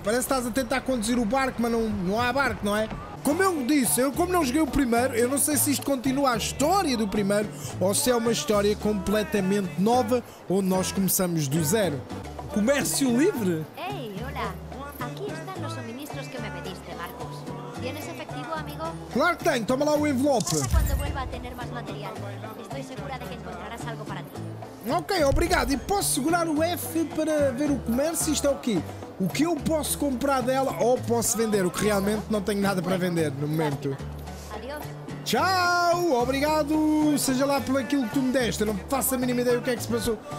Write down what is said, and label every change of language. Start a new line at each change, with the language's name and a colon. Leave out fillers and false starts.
Portuguese: Parece que estás a tentar conduzir o barco, mas não há barco, não é? Como eu disse, eu como não joguei o primeiro, eu não sei se isto continua a história do primeiro ou se é uma história completamente nova onde nós começamos do zero. Comércio livre? Ei, olá. Aqui estão os suministros que me pediste, Marcos.
Spanish: Tienes efectivo, amigo?
Portuguese: Claro que tenho. Toma lá o envelope.
Spanish: Passa quando vuelva a tener más material. Estoy segura de que encontrarás algo para ti.
Portuguese: Ok, obrigado. E posso segurar o F para ver o comércio? Isto é o quê? O que eu posso comprar dela ou posso vender? O que realmente não tenho nada para vender no momento.
Spanish: Adiós.
Portuguese: Tchau! Obrigado! Seja lá por aquilo que tu me deste. Eu não faço a mínima ideia o que é que se passou.